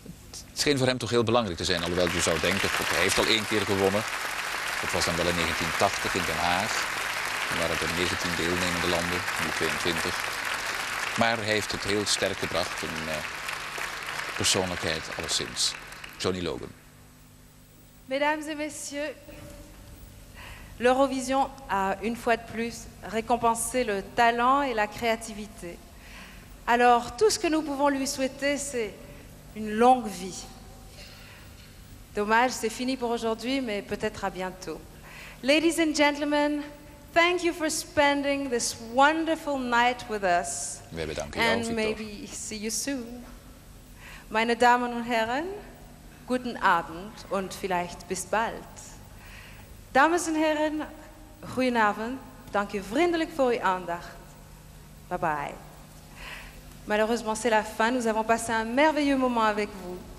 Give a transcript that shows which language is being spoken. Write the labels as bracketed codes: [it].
[nl] Het scheen voor hem toch heel belangrijk te zijn, alhoewel je zou denken, God, hij heeft al één keer gewonnen. Dat was dan wel in 1980 in Den Haag. Dan waren er 19 deelnemende landen, nu 22. Maar hij heeft het heel sterk gebracht, een persoonlijkheid alleszins. Johnny Logan. [fr] Mesdames et messieurs, l'Eurovision a une fois de plus récompensé le talent et la créativité. Alors, tout ce que nous pouvons lui souhaiter, c'est une longue vie. Dommage, c'est fini pour aujourd'hui, mais peut-être à bientôt. [en] Ladies and gentlemen, thank you for spending this wonderful night with us. [nl] We bedanken jou, [en] and maybe Victor. See you soon. [de] Meine Damen und Herren, guten Abend und vielleicht bis bald. [nl] Dames en heren, goedenavond. Dank u vriendelijk voor uw aandacht. [en] Bye bye. [fr] Malheureusement, c'est la fin. Nous avons passé un merveilleux moment avec vous.